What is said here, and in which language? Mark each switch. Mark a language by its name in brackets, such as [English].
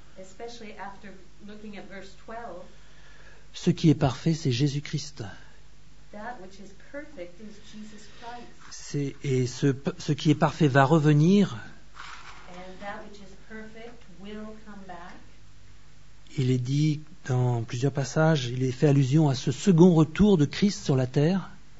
[English] especially after looking at verse 12, [French] ce qui est parfait, c'est Jésus-Christ. [English] That which is perfect is Jesus Christ. [French] C'est, et ce qui est parfait va revenir. [English] And that which is perfect will come back. [French] Il est dit dans plusieurs passages, il est fait allusion à ce second retour de Christ sur la terre.